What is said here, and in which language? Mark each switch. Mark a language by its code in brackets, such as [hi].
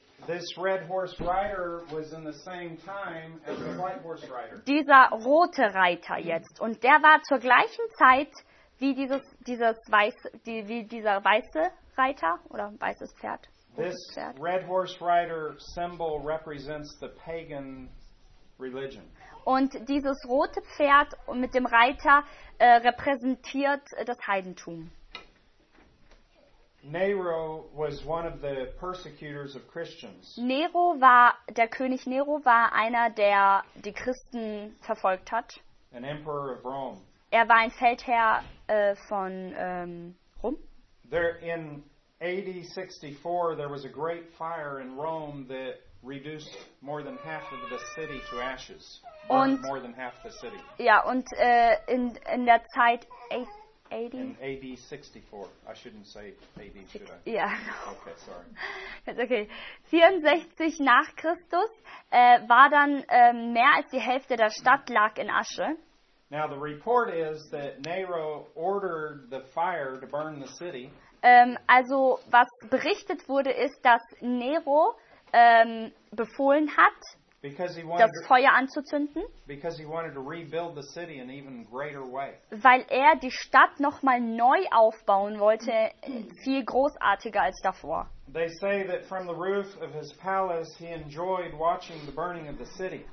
[en] This Red Horse Rider was in the same time as the White Horse Rider. [de] Dieser rote Reiter jetzt, und der war zur gleichen Zeit wie dieser weiße Reiter oder weißes Pferd. [en] This Red Horse Rider symbol represents the pagan religion. [de] Und dieses rote Pferd mit dem Reiter repräsentiert das Heidentum. [en] Nero was one of the persecutors of Christians. [de] Nero war einer, der die Christen verfolgt hat. [en] An emperor of Rome. [de] Er war ein Feldherr von Rom. [en] There in AD 64 there was a great fire in Rome that reduced more than half of the city to ashes. [de] Und [en] more than half the city. [de] Ja, und in der Zeit AD? [en] In AD 64. I shouldn't say AD, should I? [de] Ja. [en] Okay, sorry. It's okay. [de] 64 nach Christus war dann mehr als die Hälfte der Stadt lag in Asche. [en] Now the report is that Nero ordered the fire to burn the city. [de] Also was berichtet wurde ist, dass Nero befohlen hat, das Feuer anzuzünden, [en] because he wanted to rebuild the city in even greater way. [de] Weil er die Stadt nochmal neu aufbauen wollte, viel großartiger als davor. [en] They say that from the roof of his palace he enjoyed watching the burning of the city.